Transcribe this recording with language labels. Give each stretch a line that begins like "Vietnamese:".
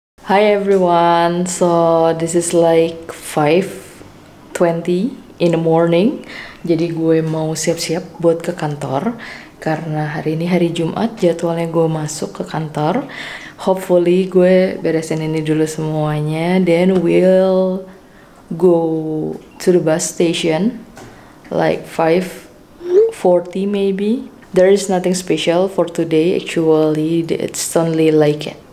English: Hi everyone, so this is like 5:20 in the morning.
Indonesian: Jadi gue mau siap-siap buat ke kantor. Karena hari ini hari Jumat, jadwalnya gue masuk ke kantor. Hopefully gue beresin ini dulu semuanya.
English: Then we'll go to the bus station like 5:40 maybe. There is nothing special for today actually, it's only like it.